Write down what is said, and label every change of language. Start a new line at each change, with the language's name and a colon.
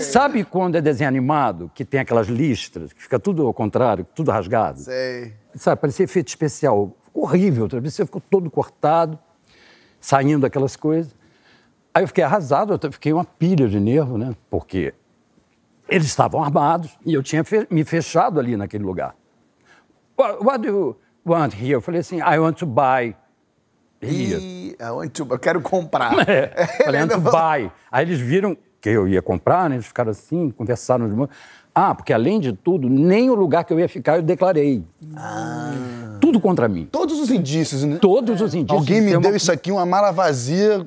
Portuguese: Sabe quando é desenho animado, que tem aquelas listras, que fica tudo ao contrário, tudo rasgado? Sei. Sabe, parecia efeito especial. Ficou horrível, outra vez. Você ficou todo cortado, saindo aquelas coisas. Aí eu fiquei arrasado, eu fiquei uma pilha de nervo, né? Porque eles estavam armados e eu tinha me fechado ali naquele lugar.
English: What do you want here?
Portuguese: Eu falei assim,
English: I want to buy...
Portuguese: Eu quero comprar. Falei,
English: to buy.
Portuguese: Aí eles viram que eu ia comprar, né? Eles ficaram assim, conversaram de novo. Ah, porque além de tudo, nem o lugar que eu ia ficar eu declarei. Ah. Tudo contra mim. Todos os indícios, né? Todos os indícios. Alguém me deu isso aqui, uma mala vazia.